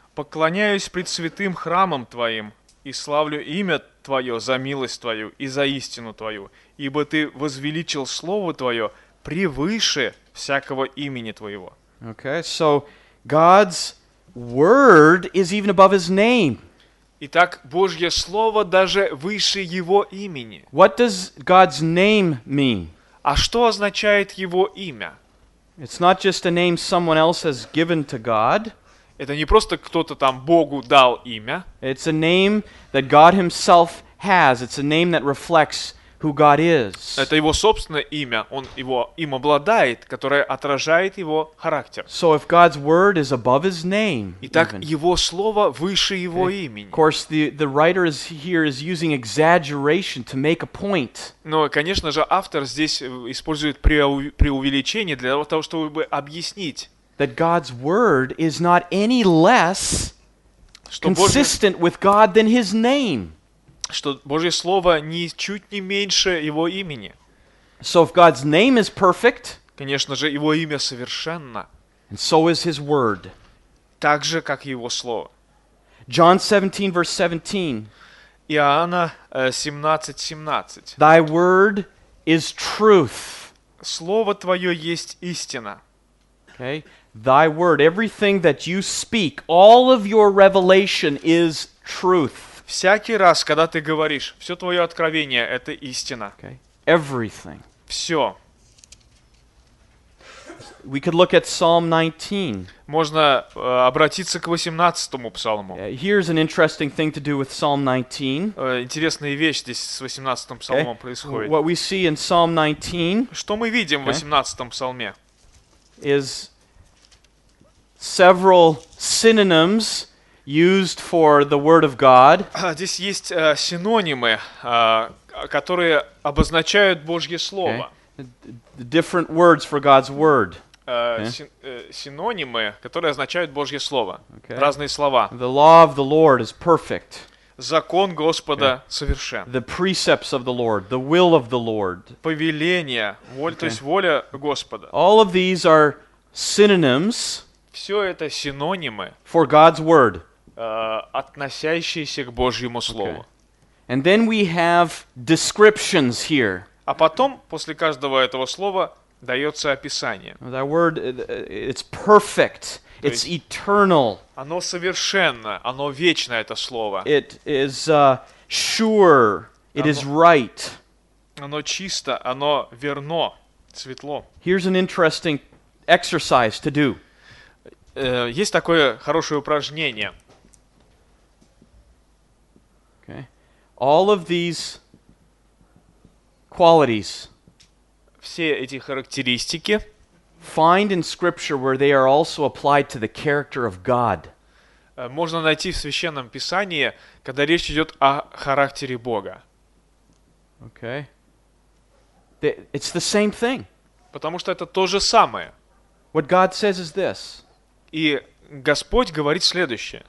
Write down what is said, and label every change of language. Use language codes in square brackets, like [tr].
[ru] Поклоняюсь пред святым храмом твоим и славлю имя твое за милость твою и за истину твою, ибо ты возвеличил слово твое превыше всякого имени твоего. [en] Okay, so God's word is even above his name. [ru] Итак, Божье слово даже выше его имени. [en] What does God's name mean? [ru] А что означает его имя? [en] It's not just a name someone else has given to God. [ru] Это не просто кто-то там Богу дал имя. [en] It's a name that God himself has. It's a name that reflects who God is. [ru] Это его собственное имя. Он его им обладает, которое отражает его характер. [en] So if God's word is above his name. [ru] Итак, even, его слово выше его имени. [en] Of course, the writer is here is using exaggeration to make a point. [ru] Но, конечно же, автор здесь использует преувеличение для того, чтобы объяснить, [en] that God's word is not any less consistent with God than his name. [ru] Что Божье слово ничуть не меньше его имени. [en] So if God's name is perfect, [ru] конечно же, его имя совершенно. [en] And so is his word. [ru] Так же, как и его слово. [en] John 17, verse 17. [ru] Иоанна 17, 17. [en] Thy word is truth. [ru] Слово твое есть истина. [en] Okay. Thy word, everything that you speak, all of your revelation is truth. [ru] Всякий раз, когда ты говоришь, все твое откровение — это истина. [en] Okay. Everything. [ru] Все. [en] We could look at Psalm 19. [ru] Можно обратиться к 18-му псалму. [en] Here's an interesting thing to do with Psalm 19. [ru] Интересная вещь здесь с 18-м псалмом происходит. [en] What we see in Psalm 19? [ru] Что мы видим в 18-м псалме? [en] Is several synonyms used for the word of God. [ru] Здесь есть синонимы, которые обозначают Божье слово. [en] Different words for God's word. [ru] Синонимы, которые означают Божье слово. Okay. Разные слова. [en] The law of the Lord is perfect. [ru] Закон Господа совершен. [en] The precepts of the Lord, the will of the Lord. [ru] Повеление, воля, то есть воля Господа. [en] All of these are synonyms. [ru] Все это синонимы. [en] For God's word. [ru] Относящиеся к Божьему слову. [en] Okay. And then we have descriptions here. [ru] А потом, после каждого этого слова, дается описание. [en] That word, it's perfect. It's eternal. [ru] Оно совершенно, оно вечно, это слово. [en] It is sure. It is right. [ru] Оно чисто, оно верно, светло. [en] Here's an interesting exercise to do. [ru] Есть такое хорошее упражнение. [en] Okay. All of these qualities. [ru] Все эти характеристики. [en] Find in Scripture where they are also applied to the character of God. [ru] Можно найти в Священном Писании, когда речь идет о характере Бога. [en] Okay. It's the same thing. [ru] Потому что это то же самое. [en] What God says is this. [ru] И Господь говорит следующее.